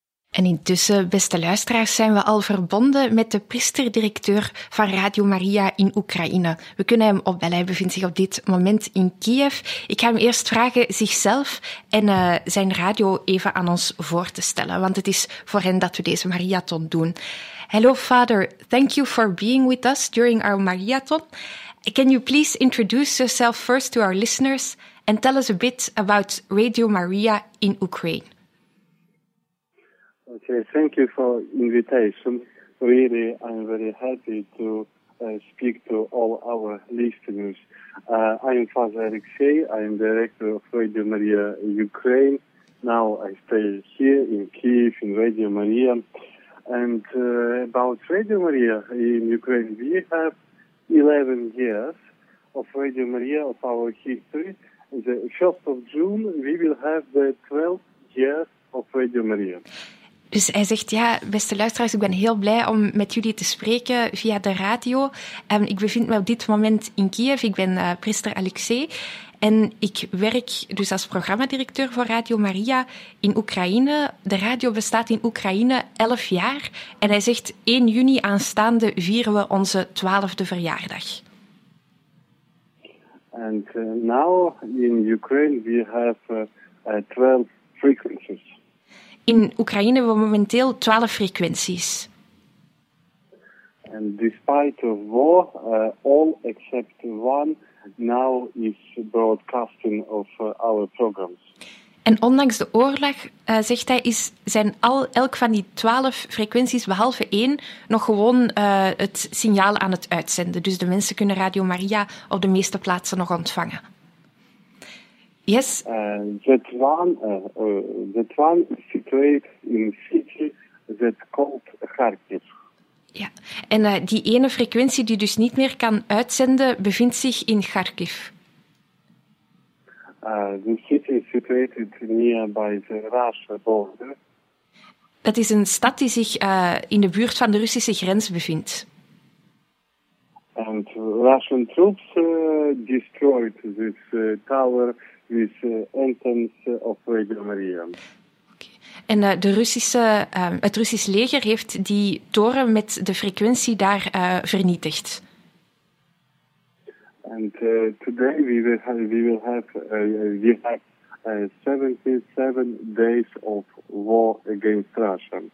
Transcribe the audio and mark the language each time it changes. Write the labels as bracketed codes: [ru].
[nl] En intussen, beste luisteraars, zijn we al verbonden met de priester-directeur van Radio Maria in Oekraïne. We kunnen hem opbellen, hij bevindt zich op dit moment in Kiev. Ik ga hem eerst vragen zichzelf en zijn radio even aan ons voor te stellen, want het is voor hen dat we deze Mariathon doen. [en] Hello, Father. Thank you for being with us during our Mariathon. Can you please introduce yourself first to our listeners and tell us a bit about Radio Maria in Ukraine? Okay, thank you for invitation. Really, I'm very happy to speak to all our listeners. I'm Father Alexei. I'm director of Radio Maria Ukraine. Now I stay here in Kyiv in Radio Maria. And about Radio Maria in Ukraine, we have 11 years of Radio Maria, of our history. The 1st of June, we will have the 12th year of Radio Maria. [nl] Dus hij zegt, ja, beste luisteraars, ik ben heel blij om met jullie te spreken via de radio. Ik bevind me op dit moment in Kiev. Ik ben priester Alexei en ik werk dus als programmadirecteur voor Radio Maria in Oekraïne. De radio bestaat in Oekraïne 11 jaar en hij zegt, 1 juni aanstaande vieren we onze 12e verjaardag. [en] And now in Ukraine we have 12 frequencies. [nl] In Oekraïne hebben we momenteel 12 frequenties. [en] And despite the war, all except one now is broadcasting of our programs. [nl] En ondanks de oorlog, zegt hij, zijn elk van die 12 frequenties, behalve één, nog gewoon het signaal aan het uitzenden. Dus de mensen kunnen Radio Maria op de meeste plaatsen nog ontvangen. Yes. [en] That one is situated in a city that called Kharkiv. [nl] Ja. En die ene frequentie die dus niet meer kan uitzenden, bevindt zich in Kharkiv. [en] The city is situated nearby the Russian border. [nl] Dat is een stad die zich in de buurt van de Russische grens bevindt. [en] And Russian troops destroyed this tower. Is entrance of Radio Maria. Okay. [nl] En het Russisch leger heeft die toren met de frequentie daar vernietigd. [en] And today we have 77 days of war against Russia.